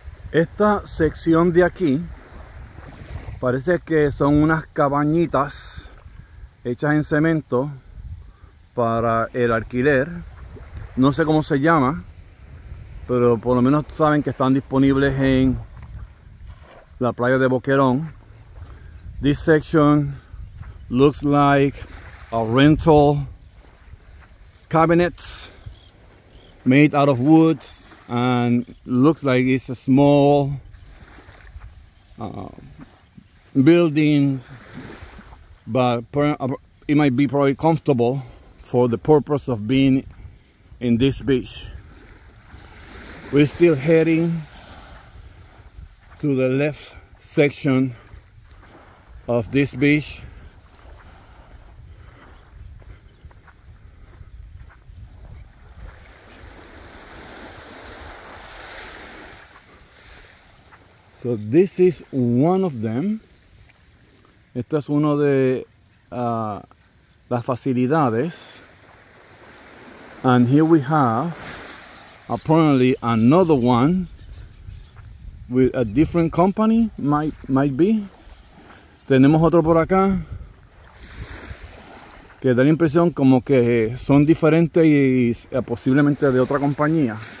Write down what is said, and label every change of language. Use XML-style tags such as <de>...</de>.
<es>Esta sección de aquí parece que son unas cabañitas hechas en cemento para el alquiler. No sé cómo se llama, pero por lo menos saben que están disponibles en la playa de Boquerón.</es> <en>This section looks like a rental cabinets made out of wood and looks like it's a small buildings, but it might be probably comfortable for the purpose of being in this beach. We're still heading to the left section of this beach. So this is one of them.</en> <es>Esta es una de las facilidades.</es> <en>And here we have apparently another one with a different company, might be.</en> <es>Tenemos otro por acá que da la impresión como que son diferentes y posiblemente de otra compañía.</es>